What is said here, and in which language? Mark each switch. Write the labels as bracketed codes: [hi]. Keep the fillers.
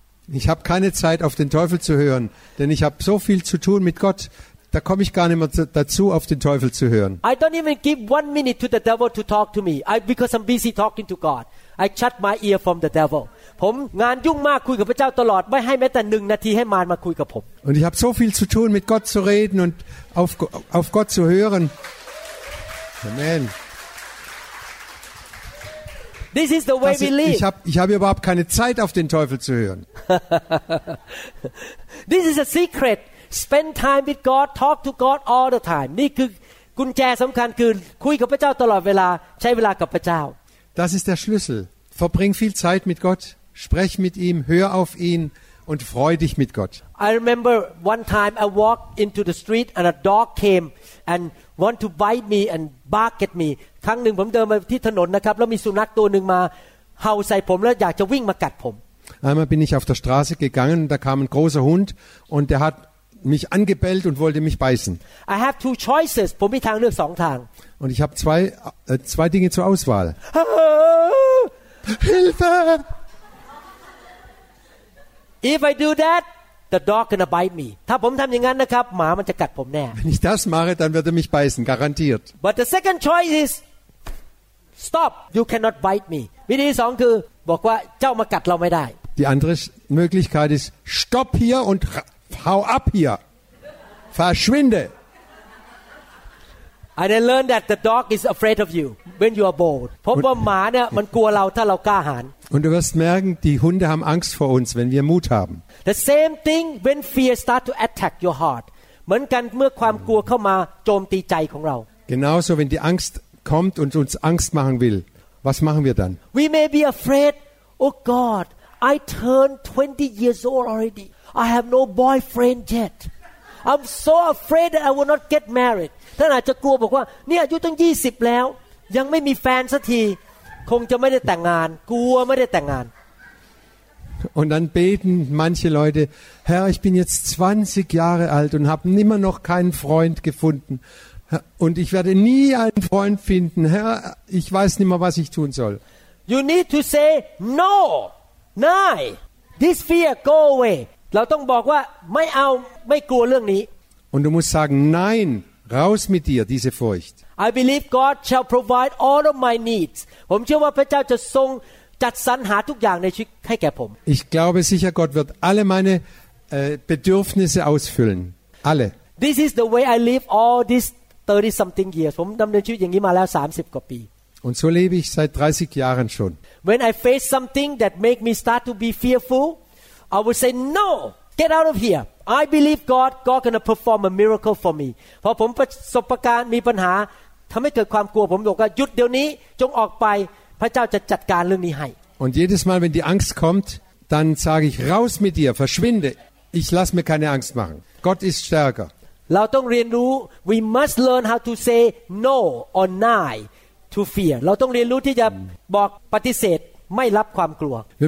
[de] Ich habe keine Zeit auf den Teufel zu hören, denn ich habe so viel zu tun mit Gott, da komme ich gar nicht mehr dazu, auf den Teufel zu hören. Ich gebe nicht [en] give [de] eine [en] minute to the devil [de] mit [en] talk to me. I because I'm busy talking to God. I shut my ear from the devil. [th] ผมงานยุ่งมากคุยกับพระเจ้าตลอดไม่ให้แม้แต่หนึ่งนาทีให้มารมาคุยกับผม [de] Und ich habe so viel zu tun mit Gott zu reden und auf auf Gott zu hören. [en] Amen. This is the way we live. [de] Ich habe ich habe überhaupt keine Zeit auf den Teufel zu hören. Das ist ein [en] secret spend time with Gott, talk to Gott all the time [th] นี่คือกุญแจสำคัญคือคุยกับพระเจ้าตลอดเวลาใช้เวลากับพระเจ้า [de] Das ist der Schlüssel verbring viel Zeit mit Gott sprech mit ihm hör auf ihn und freu dich mit Gott [en] I remember one time I walked into the street and a dog came and want to bite me and bark at me [th] ครั้งหนึ่งผมเดินไปที่ถนนนะครับแล้วมีสุนัขตัวหนึ่งมาเห่าใส่ผมแล้วอยากจะวิ่งมากัดผม [de] Einmal bin ich auf der Straße gegangen, und da kam ein großer Hund und der hat mich angebellt und wollte mich beißen. Choices, und, und ich habe zwei äh, zwei Dinge zur Auswahl. Oh, Hilfe! [en] If I do that, the dog gonna bite me. [de] Wenn ich das mache, dann wird er mich beißen, garantiert. [en] But the second choice is stop. You cannot bite me. [th] วิธีสองคือบอกว่าเจ้ามากัดเราไม่ได้ die, [de] Sohn- die andere Möglichkeit ist stopp hier und hau ab hier. Verschwinde. [en] And I learned that the dog is afraid of you when you are bold. [th] ผมว่าหมาเนี่ยมันกลัวเราถ้าเรากล้าหาญ und, [de] und du wirst merken, die Hunde haben Angst vor uns, wenn wir Mut haben. [en] The same thing when fear start to attack your heart. [th] เหมือนกันเมื่อความกลัวเข้ามาโจมตีใจของเรา [de] Genauso wenn die Angst kommt und uns Angst machen will. Was machen wir dann? [en] We may be afraid. Oh God, I turned 20 years old already. I have no boyfriend yet. I'm so afraid that I will not get married. [th] ท่านอาจจะกลัวบอกว่าเนี่ยอายุตั้ง20แล้วยังไม่มีแฟนสักทีคงจะไม่ได้แต่งงานกลัวไม่ได้แต่งงาน [de] Und dann beten manche Leute, Herr, ich bin jetzt 20 Jahre alt und habe immer noch keinen Freund gefunden. Und ich werde nie einen Freund finden. Herr, ich weiß nicht was ich tun soll. [en] You need to say, no, nein, this fear go away. [th] เราต้องบอกว่าไม่เอาไม่ กลัวเรื่องนี้ [de] Und du musst sagen nein raus mit dir diese Furcht [en] I believe God shall provide all of my needs [th] ผมเชื่อว่าพระเจ้าจะทรงจัดสรรหาทุกอย่างในชีวิตให้แก่ผม [de] Ich glaube sicher Gott wird alle meine Bedürfnisse ausfüllen alle [en] This is the way I live all this 30 something years [th] ผมดำเนินชีวิตอย่างนี้มาแล้ว 30กว่าปี [de] Und so lebe ich seit 30 Jahren schon [en] When I face something that make me start to be fearful I would say no get out of here I believe God God gonna perform a miracle for me [th] พอผมประสบการณ์มีปัญหาทำให้เกิดความกลัวผมบอกว่าหยุดเดี๋ยวนี้จงออกไปพระเจ้าจะจัดกา รเรื่องนี้ให้ [de] Und jedes Mal wenn die Angst kommt dann sage ich raus mit dir verschwinde ich lass mir keine Angst machen Gott ist stärker [th] เราต้องเรียนรู้ [en] we must learn how to say no or n i to fear [th] เราต้องเรียนรู้ที่จะบอกปฏิเสธ [en] Wir